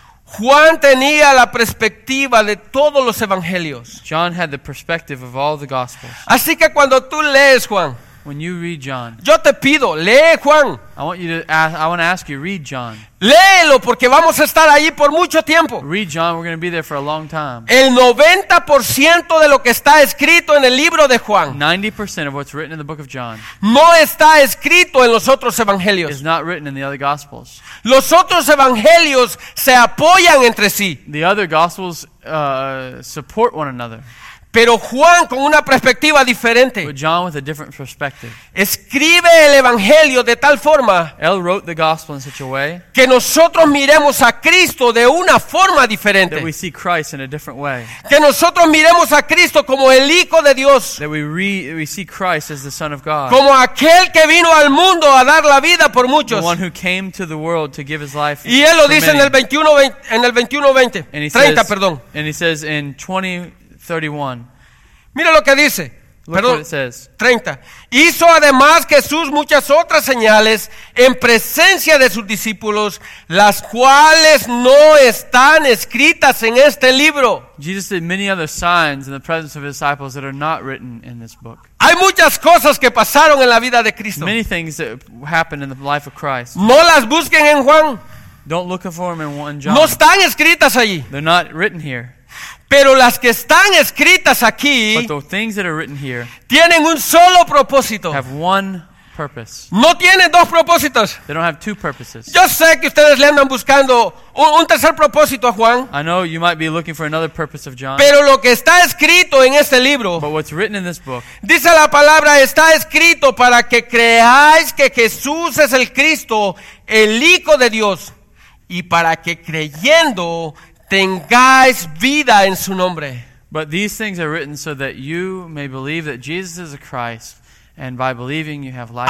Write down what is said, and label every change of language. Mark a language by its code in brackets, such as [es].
[es] Juan tenía la perspectiva de todos los evangelios. [en] John had the perspective of all the gospels. [es] Así que cuando tú lees Juan, [en] when you read John, [es] yo te pido, lee Juan. [en] I want to ask you, read John. [es] Léelo porque vamos a estar ahí por mucho tiempo. [en] Read John, we're going to be there for a long time. [es] El 90% de lo que está escrito en el libro de Juan, [en] 90% of what's written in the book of John, [es] no está escrito en los otros evangelios. [en] Is not written in the other gospels. [es] Los otros evangelios se apoyan entre sí. [en] The other gospels support one another. [es] Pero Juan con una perspectiva diferente. [en] But John with a different perspective. [es] Escribe el evangelio de tal forma. Él [en] wrote the gospel in such a way. [es] Que nosotros miremos a Cristo de una forma diferente. [en] That we see Christ in a different way. [es] Que nosotros miremos a Cristo como el Hijo de Dios. [en] That we see Christ as the Son of God. [es] Como aquel que vino al mundo a dar la vida por muchos. [en] The one who came to the world to give his life. [es] Y él lo dice en el 21:20. 30, [en] says, [es] perdón. [en] And he says in 31. [es] Mira lo que dice. [en] Look [es] perdón, [en] what it says. [es] 30. Hizo además Jesús muchas otras señales en presencia de sus discípulos, las cuales no están escritas en este libro. [en] Jesus did many other signs in the presence of his disciples that are not written in this book. [es] Hay muchas cosas que pasaron en la vida de Cristo. [en] Many things that happened in the life of Christ. [es] No las busquen en Juan. [en] Don't look for them in 1 John. [es] No están escritas allí. [en] They're not written here. [es] Pero las que están escritas aquí, [en] but the things that are written here, [es] tienen un solo propósito. [en] Have one purpose. [es] No tienen dos propósitos. [en] They don't have two purposes. [es] Yo sé que ustedes le andan buscando un tercer propósito a Juan. [en] I know you might be looking for another purpose of John. [es] Pero lo que está escrito en este libro, [en] but what's written in this book, [es] dice la palabra, está escrito para que creáis que Jesús es el Cristo, el Hijo de Dios, y para que creyendo tengáis vida en su nombre. [en] But these things are written so that you may believe that Jesus is the Christ, and by believing you have life.